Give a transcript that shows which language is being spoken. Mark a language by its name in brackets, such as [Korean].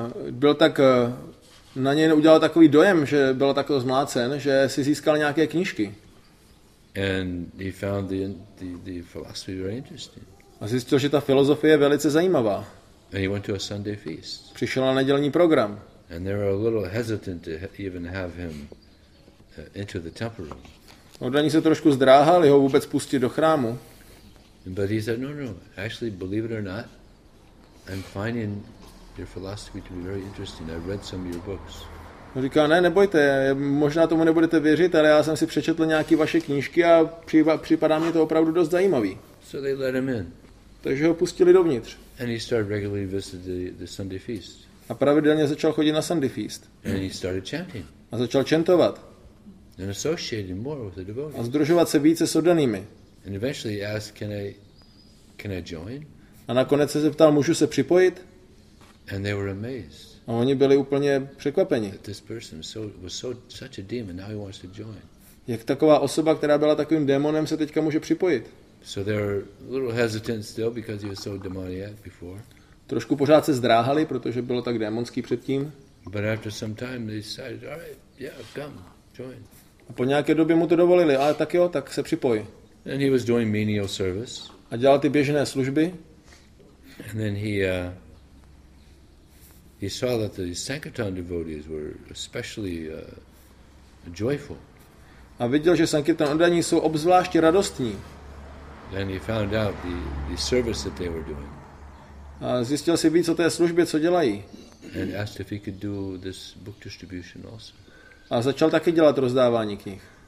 [Czech] Byl tak na něj udělal takový dojem, že byl tak zmlácen, že si získal nějaké knížky. [English] And he found the philosophy very interesting. [Czech] A zjistil, že ta filozofie je velice zajímavá. [English] And he went to a Sunday feast. [Czech] Přišel na nedělní program. [English] And they were a little hesitant to even have him into the temple room. [Czech] Oddaní se trošku zdráhali ho vůbec pustit do chrámu. [English] But he said, no, actually, believe it or not, I'm finding your philosophy to be very interesting. I read some of your books. [Czech] Říká, ne, nebojte, možná tomu nebudete věřit, ale já jsem si přečetl nějaké vaše knížky a připadá mi to opravdu dost zajímavý. [English] So they let him in. [Czech] Takže ho pustili dovnitř. [English] And he started regularly visiting the Sunday feast. [Czech] A pravidelně začal chodit na [English] Sunday feast. And he started chanting. [Czech] A začal chantovat. [English] And associated more with the devotees. [Czech] A združovat se více s oddanými. [English] And eventually asked, can I join? [Czech] A nakonec se zeptal, můžu se připojit? [English] And they were amazed. [Czech] A oni byli úplně překvapeni. [English] This person was such a demon, now he wants to join. [Czech] Jak taková osoba, která byla takovým démonem, se teďka může připojit? [English] So they were a little hesitant still because he was so demoniac before. [Czech] Trošku pořád se zdráhali, protože bylo tak démonský předtím. [English] But after some time they decided, all right, yeah, come. [Czech] A po nějaké době mu to dovolili, ale tak jo, tak se připoj. [English] And he was doing menial service. [Czech] A dělal ty běžné služby. [English] And then he saw that the Sankirtan devotees were especially joyful. [Czech] A viděl, že Sankirtan oddaní jsou obzvláště radostní. [English] Then he found out the service that they were doing. [Czech] A zjistil si víc o té službě, co dělají. [English] And asked if he could do this book distribution also. [Czech] A začal taky dělat rozdávání knih.